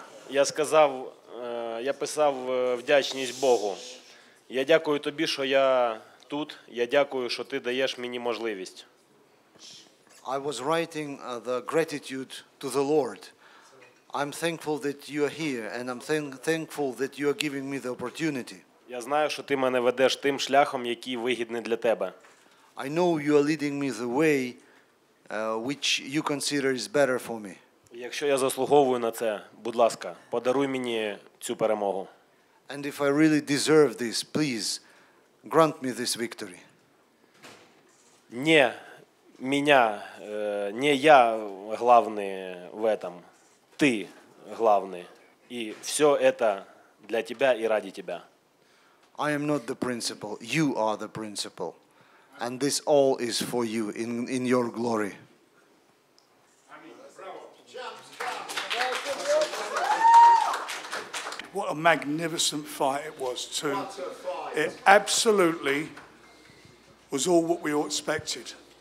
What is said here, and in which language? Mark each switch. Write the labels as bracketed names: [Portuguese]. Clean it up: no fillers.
[Ukrainian] Я сказав, я писав вдячність Богу. Я дякую тобі, що я тут. Я дякую, що ти даєш мені можливість. [English] I was writing the gratitude to the Lord. I'm thankful that you are here, and I'm thankful that you are giving me the opportunity. [Ukrainian] Я знаю, що ти мене ведеш тим шляхом, який вигідний для тебе. [English] I know you are leading me the way which you consider is better for me. [Ukrainian] Якщо я заслуговую на це, будь ласка, подаруй мені цю перемогу. [English] And if I really deserve this, please grant me this victory. [Russian] Не меня, не я главный в этом. [Ukrainian] Ти главний. І все це для тебе і ради тебе. [English] I am not the principal. You are the principal. And this all is for you in your glory. What a magnificent fight it was, too. It absolutely was all what we all expected.